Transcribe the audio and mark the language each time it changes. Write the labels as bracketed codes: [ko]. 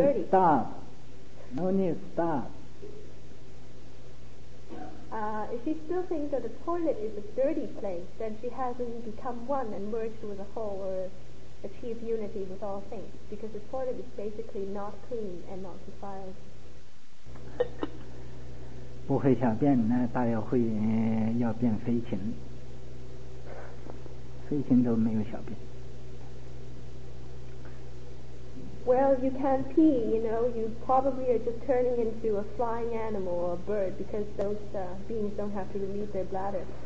[en] no need, stop. No need to stop. If she still thinks that the toilet is a dirty place, then she hasn't become one and merged with the whole or achieved unity with all things, because the toilet is basically not clean and not defiled. [zh] 不会小便那大约会要变飞禽，飞禽都没有小便。 [en] Well, you can't pee, you know, you probably are just turning into a flying animal or a bird because those beings don't have to relieve their bladder.